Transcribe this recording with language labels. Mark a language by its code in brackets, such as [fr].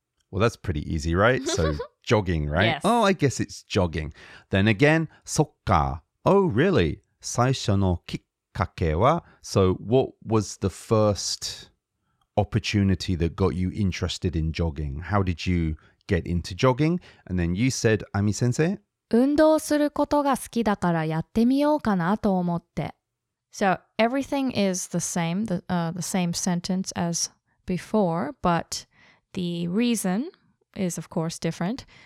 [en] Well, that's pretty easy, right? So jogging, right? Yes. Oh, I guess it's jogging. Then again, sokka. Oh, really? [ja] 最初のきっかけは? [en] So what was the first opportunity that got you interested in jogging? How did you get into jogging? And then you said, Ami sensei? [ja] 運動することが好きだからやってみようかなと思って。 [en] So everything is the same sentence as before, but the reason is of course different.